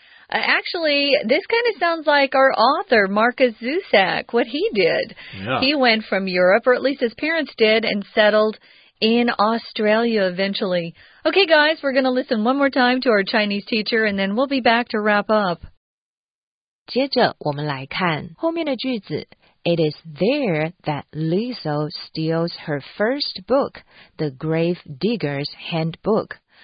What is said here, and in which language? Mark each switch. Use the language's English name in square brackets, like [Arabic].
[English] Actually, this kind of sounds like our author, Marcus Zusak, what he did. Yeah. He went from Europe, or at least his parents did, and settled in Australia eventually. Okay, guys, we're going to listen one more time to our Chinese teacher, and then we'll be back to wrap up. [Chinese] 接着我们来看后面的句子。 [English] It is there that Lizzo steals her first book, The Grave Digger's Handbook.